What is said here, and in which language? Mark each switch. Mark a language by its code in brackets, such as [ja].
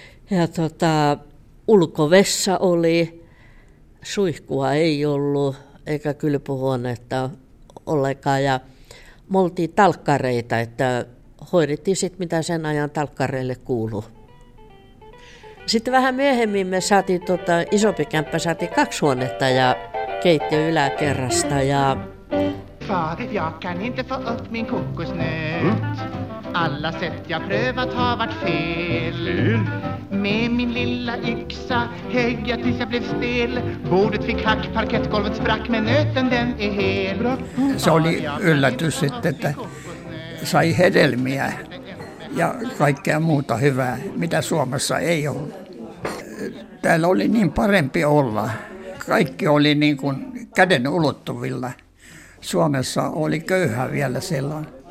[fi] Ja ulkovessa oli, suihkua ei ollut, eikä kylpyhuonetta ollenkaan. Ja me oltiin talkkareita, että hoidettiin sitten, mitä sen ajan talkkareille kuuluu. Sitten vähän myöhemmin me saatiin isompi kämppä, saatiin 2 huonetta ja keittiö yläkerrasta. Ja [sv] Fader, jag kan inte få upp min kokosnöt. Alla sätt jag prövat har varit fel. med min lilla yxa, högg jag tills jag blev stel. Bordet fick hack, parkettgolvet sprack, men nöten den är hel. [fi] Se oli yllätyset, että sai hedelmiä ja kaikkea muuta hyvää, mitä Suomessa ei ole. Täällä oli niin parempi olla. Kaikki oli niin kuin käden ulottuvilla. Suomessa oli köyhä vielä silloin.